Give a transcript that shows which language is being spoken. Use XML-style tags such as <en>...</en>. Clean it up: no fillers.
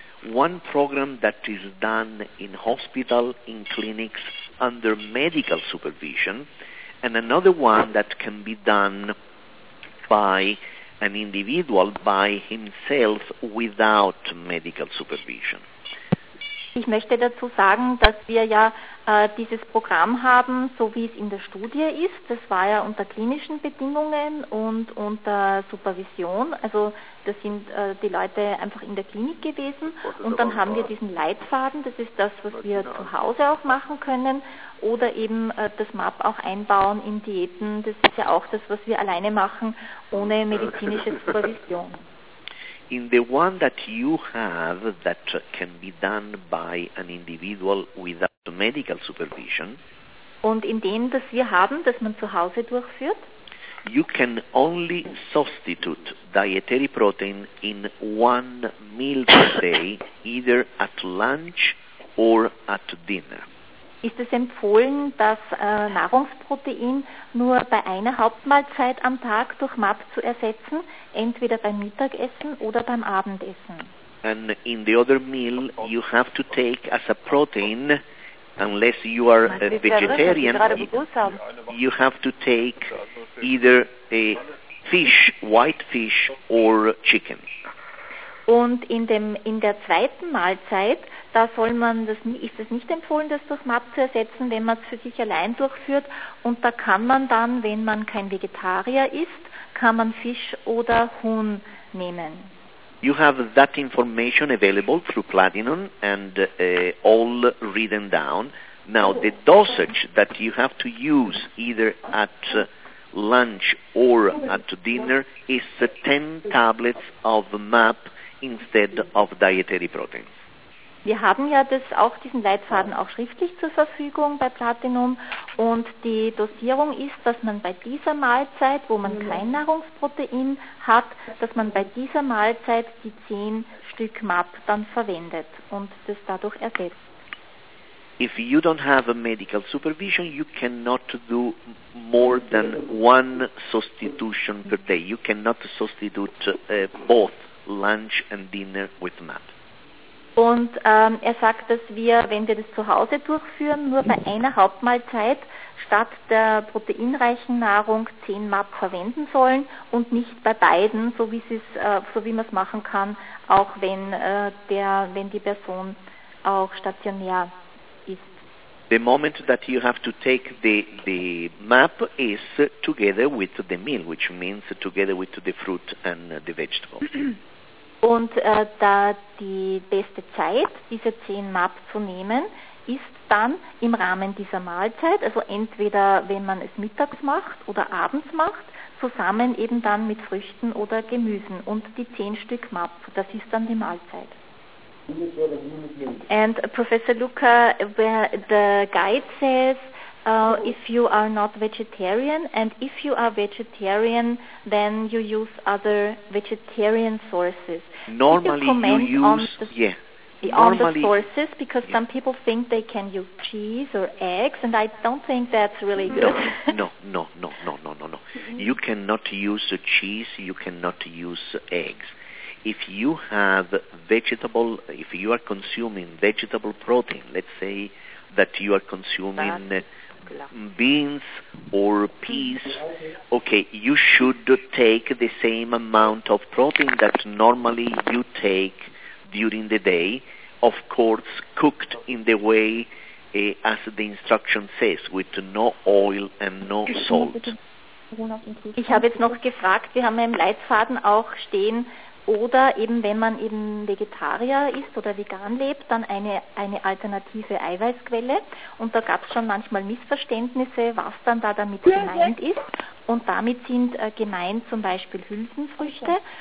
<en>One program that is done in hospital, in clinics, under medical supervision, and another one that can be done by an individual, by himself, without medical supervision.</en> <de>Ich möchte dazu sagen, dass wir ja dieses Programm haben, so wie es in der Studie ist. Das war ja unter klinischen Bedingungen und unter Supervision. Also das sind die Leute einfach in der Klinik gewesen. Und dann haben wir diesen Leitfaden. Das ist das, was wir zu Hause auch machen können. Oder eben das MAP auch einbauen in Diäten. Das ist ja auch das, was wir alleine machen, ohne medizinische Supervision.</de> <en>In the one that you have that can be done by an individual without medical supervision,</en> <de>und in dem, das wir haben, das man zu Hause durchführt,</de> <en>you can only substitute dietary protein in one meal per day, either at lunch or at dinner.</en> <de>Ist es empfohlen, dass Nahrungsprotein nur bei einer Hauptmahlzeit am Tag durch MAP zu ersetzen, entweder beim Mittagessen oder beim Abendessen?</de> <en>And in the other meal you have to take as a protein, unless you are a vegetarian, you have to take either a fish, white fish or chicken.</en> <de>Und in der zweiten Mahlzeit, da soll man das, ist es nicht empfohlen, das durch MAP zu ersetzen, wenn man es für sich allein durchführt. Und da kann man dann, wenn man kein Vegetarier ist, kann man Fisch oder Huhn nehmen.</de> <en>You have that information available through Platinum and all written down. Now the dosage that you have to use either at lunch or at dinner is 10 tablets of MAP instead of dietary protein.</en> <de>Wir haben ja das auch diesen Leitfaden auch schriftlich zur Verfügung bei Platinum und die Dosierung ist, dass man bei dieser Mahlzeit, wo man kein Nahrungsprotein hat, dass man bei dieser Mahlzeit die 10 Stück MAP dann verwendet und das dadurch ersetzt.</de> <en>If you don't have a medical supervision, you cannot do more than one substitution per day. You cannot substitute both lunch and dinner with MAP.</en> <de>Und er sagt, dass wir, wenn wir das zu Hause durchführen, nur bei einer Hauptmahlzeit statt der proteinreichen Nahrung 10 MAP verwenden sollen und nicht bei beiden, so wie sie es, so wie man es machen kann, auch wenn wenn die Person auch stationär ist.</de> <en>The moment that you have to take the MAP is together with the meal, which means together with the fruit and the vegetables.</en> <de>Und da die beste Zeit, diese 10 MAP zu nehmen, ist dann im Rahmen dieser Mahlzeit, also entweder wenn man es mittags macht oder abends macht, zusammen eben dann mit Früchten oder Gemüsen und die 10 Stück MAP, das ist dann die Mahlzeit.</de> <en>And Professor Luca, the guide says, if you are not vegetarian, and if you are vegetarian, then you use other vegetarian sources. Normally, on the sources, because some people think they can use cheese or eggs, and I don't think that's really good. No. You cannot use cheese. You cannot use eggs. If you have vegetable, if you are consuming vegetable protein, let's say that you are consuming beans or peas, okay, you should take the same amount of protein that normally you take during the day, of course cooked in the way as the instruction says, with no oil and no salt.</en> <de>Ich habe jetzt noch gefragt, wir haben im Leitfaden auch stehen, oder eben wenn man eben Vegetarier ist oder vegan lebt, dann eine alternative Eiweißquelle. Und da gab es schon manchmal Missverständnisse, was dann da damit gemeint ist. Und damit sind gemeint zum Beispiel Hülsenfrüchte.</de>